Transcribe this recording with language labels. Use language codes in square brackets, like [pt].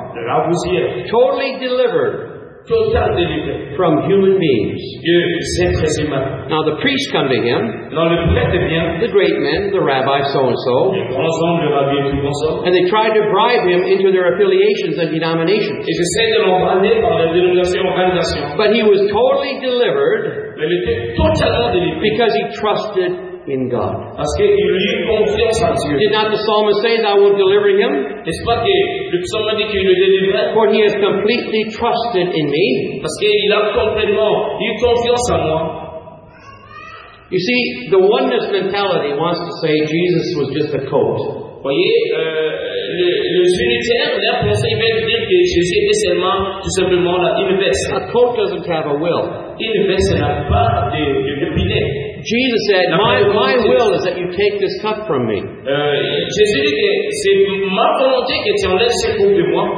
[fr] Là vous y êtes. [en] Totally delivered. [fr] Total délivré. [en] From human beings. [fr] Êtes [en] now the priest come to him. [fr] Alors, le prêtre vient, [en] the great men, the rabbi so and so. [fr] Le rabbi et tout bon [en] and they tried to bribe him into their affiliations and denominations. [fr] Et j'essaie de l'embrasser par la dénomination, organisation. [en] But he was totally delivered. [fr] Mais il était totalement délivré. [en] Because he trusted in God. [fr] Parce qu'il lui eut confiance en Dieu. [en] Did not the psalmist say that I will deliver him? [fr] N'est-ce pas que le psaume dit qu'il le délivre? [en] For he has completely trusted in me. [fr] Parce qu'il a complètement eu confiance en moi. [en] You see, the oneness mentality wants to say Jesus was just a coat. [fr] Voyez, le unitaire, l'air pensé, il veut dire que Jésus était seulement, tout simplement, là, une veste. [en] A coat doesn't have a will. [fr] Une veste n'a pas de pilier. [en] Jesus said, my will is that you take this cup from me. [fr] Jésus dit que c'est ma volonté que tu enlèves ce coup de moi.